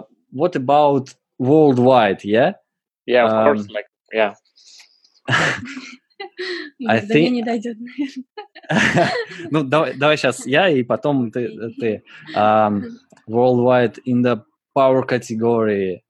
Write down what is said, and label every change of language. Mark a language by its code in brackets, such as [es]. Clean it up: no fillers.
[en] What about worldwide, yeah? Yeah, of course. Like, yeah. I think... [ru] Да мне не дойдет, наверное. Ну, давай сейчас я, и потом ты. [en] Worldwide in the power category.